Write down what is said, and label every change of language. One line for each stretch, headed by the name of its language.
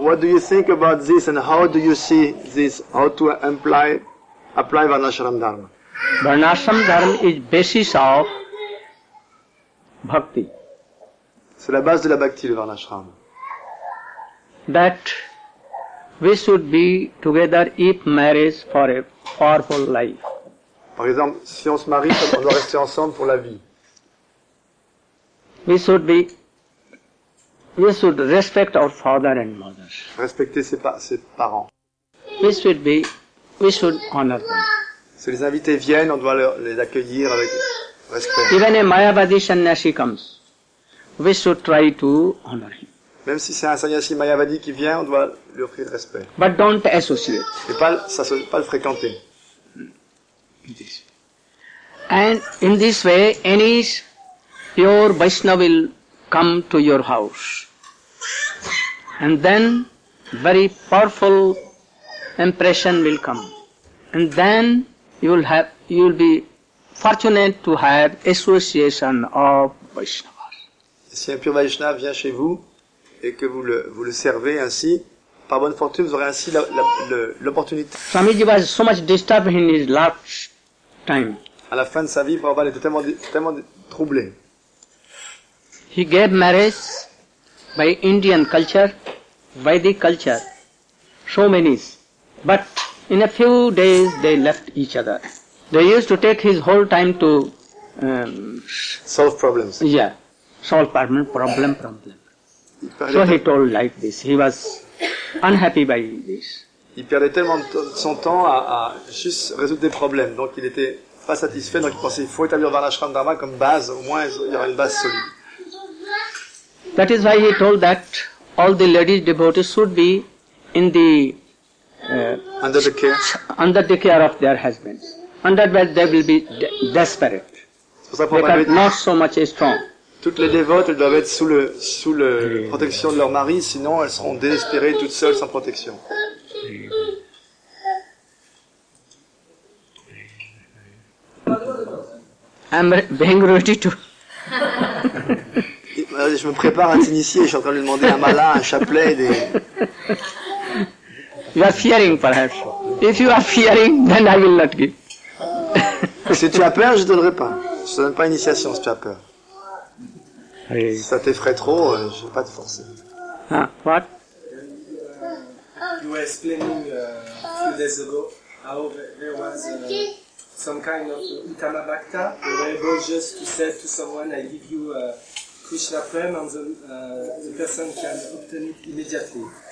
English: What do you think about this and how do you see this, how to apply Varnashram Dharma? Varnashram Dharma is basis of bhakti.
French: C'est la base de la bhakti, le Varnashram.
English: That we should be together if marriage for a powerful life.
French: Par exemple, si on se marie, on doit rester ensemble pour la vie.
English: We should respect our father and mother.
French: Respecter ses parents.
English: We should honor them.
French: Si les invités viennent, on doit les accueillir avec respect.
English: Even a Mayavadi sannyasi comes, we should try to honor him.
French: Même si c'est un sannyasi mayavadi qui vient, on doit lui offrir le respect.
English: But don't associate.
French: Et pas le fréquenter.
English: And in this way, any pure Vaishnava will come to your house. And then, very powerful impression will come. And then, you will be fortunate to have association of Vaishnavas.
French: Si un pure Vaishnava vient chez vous, et que vous le servez ainsi, par bonne fortune, vous aurez ainsi l'opportunité.
English: Swamiji was so much disturbed in his last time.
French: À la fin de sa vie, Prabhupada était tellement troublé.
English: He gave marriage by Indian culture, Vedic culture, so many. But in a few days, they left each other. They used to take his whole time to solve problems. Yeah, solve problem. So he told like this. He was unhappy by this.
French: Il perdait tellement de son temps à juste résoudre des problèmes, donc il était pas satisfait. Donc il pensait qu'il faut établir Varnashram Dharma comme base. Au moins il y aura une base solide.
English: That is why he told that all the ladies devotees should be in the under the care of their husbands. Under that they will be desperate. not so much strong.
French: Toutes les dévotes elles doivent être sous le protection de leur mari, sinon elles seront désespérées toutes seules sans protection.
English: I'm being ready to.
French: Je me prépare à t'initier, je suis en train de lui demander un mala, un chapelet, des.
English: You are fearing, perhaps. If you are fearing, then I will not give.
French: Si tu as peur, je ne donnerai pas. Je ne te donne pas initiation si tu as peur. Si ça t'effraie trop, je ne vais pas te forcer.
English: Ah, what? You were explaining a few days ago how there was some kind of Uttama Bhakta. They were able just to say to someone, I give you Krishna Prem, and the person can obtain it immediately.